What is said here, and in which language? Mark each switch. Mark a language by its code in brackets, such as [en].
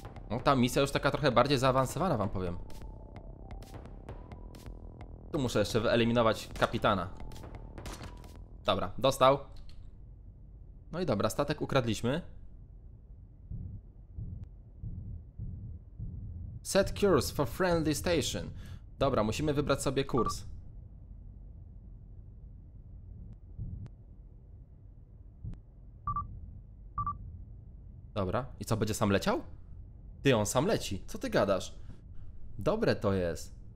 [pl] No, ta misja już taka trochę bardziej zaawansowana, wam powiem. Tu muszę jeszcze wyeliminować kapitana. Dobra, dostał. No i dobra, statek ukradliśmy. [en] Set course for friendly station. [pl] Dobra, musimy wybrać sobie kurs. Dobra, i co, będzie sam leciał? Ty, on sam leci, co ty gadasz? Dobre to jest.